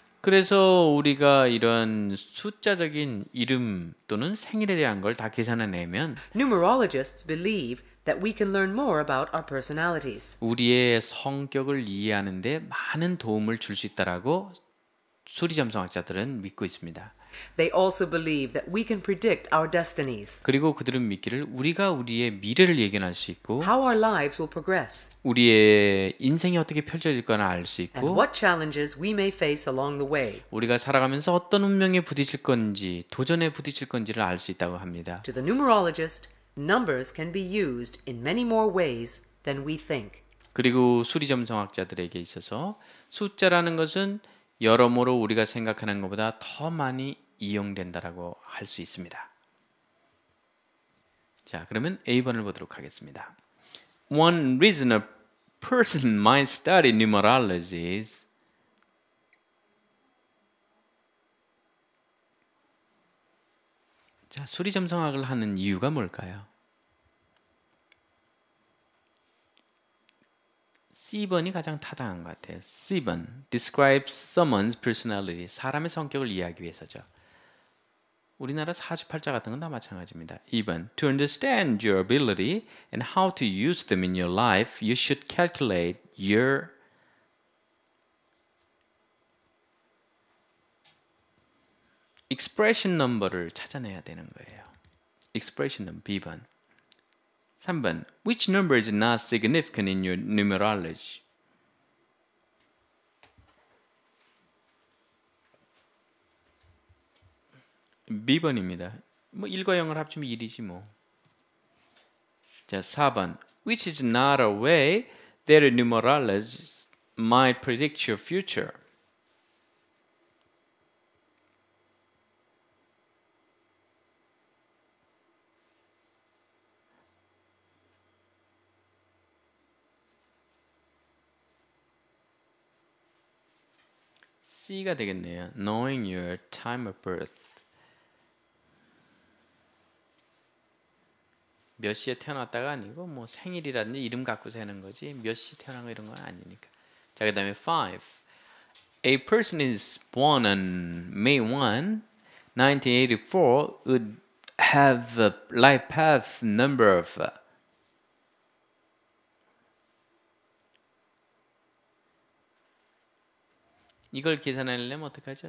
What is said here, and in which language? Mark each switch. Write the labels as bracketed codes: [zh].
[ko] 그래서 우리가 이런 숫자적인 이름 또는 생일에 대한 걸 다 계산해내면 [en] numerologists believe that we can learn more about our personalities. [ko] 우리의 성격을 이해하는 데 많은 도움을 줄 수 있다라고 수리 점성학자들은 믿고 있습니다. [en] They also believe that we can predict our destinies. [ko] 그리고 그들은 믿기를 우리가 우리의 미래를 예견할 수 있고 [en] How our lives will progress. [ko] 우리의 인생이 어떻게 펼쳐질 거나 알 수 있고 [en] And what challenges we may face along the way. [ko] 우리가 살아가면서 어떤 운명에 부딪힐 건지 도전에 부딪힐 건지를 알 수 있다고 합니다. [en] To the numerologist, numbers can be used in many more ways than we think. [ko] 그리고 수리 점성학자들에게 있어서 숫자라는 것은 여러모로 우리가 생각하는 것보다 더 많이 이용된다라고 할 수 있습니다. 자, 그러면 A번을 보도록 하겠습니다. [en] One reason a person might study numerology is [ko] 자, 수리 점성학을 하는 이유가 뭘까요? C번이 가장 타당한 것 같아요. [en] C번, describe someone's personality. [ko] 사람의 성격을 이해하기 위해서죠. 우리나라 사주팔자 같은 건 다 마찬가지입니다. [en] 2번, to understand your ability and how to use them in your life, you should calculate your... [ko] 익스프레션 넘버를 찾아내야 되는 거예요. 익스프레션 넘버, B번. [en] 3번, which number is not significant in your numerology? [ko] 2번입니다. 뭐 1과 0을 합치면 1이지 뭐. [en] 자, 4번, which is not a way that a numerologist might predict your future? [ko] 가 되겠네요. [en] Knowing your time of birth. [ko] 몇 시에 태어났다가 아니고 뭐 생일이라든지 이름 갖고 사는 거지 몇 시 태어난 거 이런 건 아니니까. 자, 그 다음에 5. [en] A person is born on May 1, 1984 would have a life path number of [ko] 이걸 계산하려면 어떡하죠?